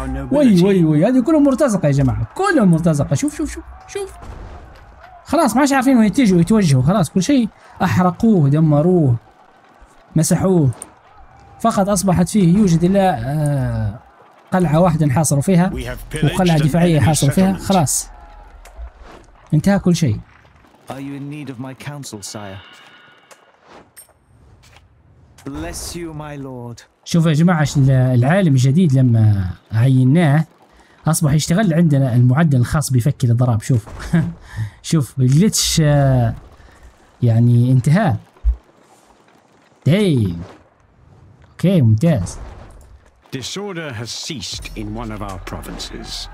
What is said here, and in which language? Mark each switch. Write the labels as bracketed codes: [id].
[ar] وي هذه كلهم مرتزقة يا جماعة، كلهم مرتزقة. شوف خلاص ما عادش عارفين وين يتجهوا خلاص كل شيء أحرقوه دمروه مسحوه. فقط أصبحت فيه يوجد إلا قلعة واحدة حاصروا فيها وقلعة دفاعية حاصروا فيها. خلاص انتهى كل شيء. [en] Are you in need of my counsel, sire? Bless you, my lord. [ar] شوف يا جماعة العالم الجديد لما عيناه أصبح يشتغل عندنا المعدل الخاص بفك الإضراب. شوف شوف الجلتش يعني انتهى. طيب اوكي ممتاز. [en] Disorder has ceased in one of our provinces.